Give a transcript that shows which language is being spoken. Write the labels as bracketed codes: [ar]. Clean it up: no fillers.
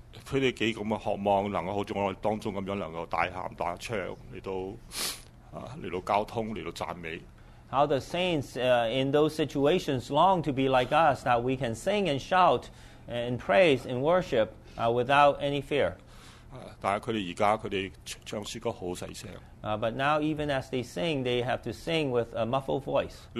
[yue] 佢哋幾咁嘅渴望，能夠好似我哋當中咁樣，能夠大喊大唱嚟到交通，嚟到讚美。 [en] How the saints in those situations long to be like us, that we can sing and shout and praise and worship without any fear. [yue] 但係佢哋而家佢哋唱詩歌好細聲。 [en] But now even as they sing, they have to sing with a muffled voice.